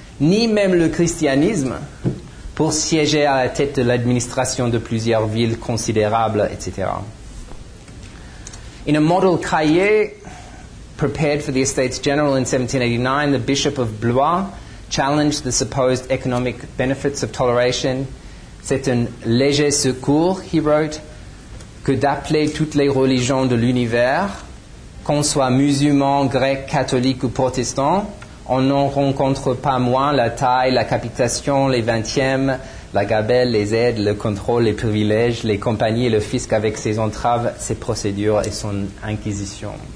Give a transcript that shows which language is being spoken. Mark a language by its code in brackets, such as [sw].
[fr] ni même le christianisme pour siéger à la tête de l'administration de plusieurs villes considérables, etc. [en] In a model cahier prepared for the Estates General in 1789, the Bishop of Blois challenged the supposed economic benefits of toleration. [fr] C'est un léger secours, [en] he wrote, [fr] que d'appeler toutes les religions de l'univers, qu'on soit musulman, grec, catholique ou protestant, on n'en rencontre pas moins la taille, la capitation, les vingtièmes, la gabelle, les aides, le contrôle, les privilèges, les compagnies et le fisc avec ses entraves, ses procédures et son inquisition.